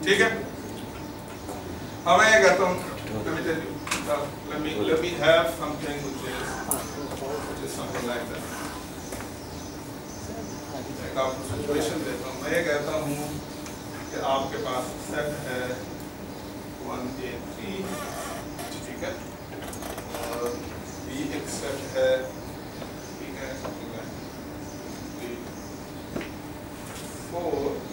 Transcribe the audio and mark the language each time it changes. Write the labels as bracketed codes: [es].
[hi] ठीक है. अब मैं ये कहता हूँ कभी तेरी [en] let me have something which is something like that. [hi] Situation देता हूँ, मैं कहता हूँ कि आपके पास सेट है 1, 2, 3, ठीक है, और बी एक सेट है, ठीक है, [en] Something like 3, 4.